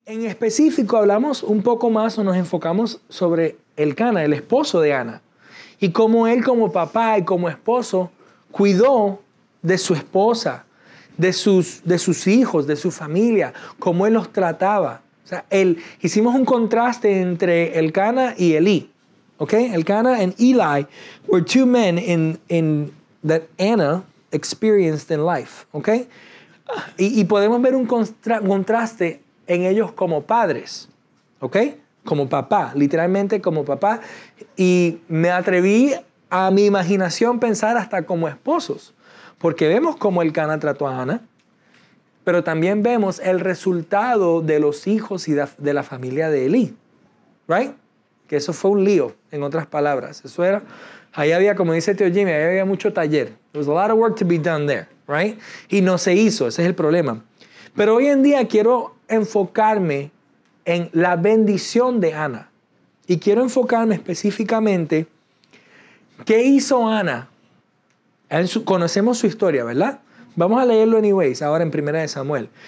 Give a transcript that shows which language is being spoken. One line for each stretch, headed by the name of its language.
Spanish: En específico hablamos un poco más o nos enfocamos sobre Elcana, el esposo de Ana, y cómo él como papá y como esposo cuidó de su esposa, de sus hijos, de su familia, cómo él los trataba. O sea, hicimos un contraste entre Elcana y Elí.
English: Okay? Elcana and Eli were two men in that Anna experienced in life, okay?
Spanish: Y podemos ver un contraste en ellos como padres, okay? Como papá, literalmente como papá, y me atreví a mi imaginación pensar hasta como esposos, porque vemos cómo Elcana trató a Ana, pero también vemos el resultado de los hijos y de la familia de Elí, right? Que eso fue un lío, en otras palabras. Eso era, ahí había, como dice Tío Jimmy, ahí había mucho taller.
English: There was a lot of work to be done there, right?
Spanish: Y no se hizo, ese es el problema. Pero hoy en día quiero enfocarme en la bendición de Ana. Y quiero enfocarme específicamente, ¿qué hizo Ana? Conocemos su historia, ¿verdad? Vamos a leerlo anyways, ahora en Primera de Samuel.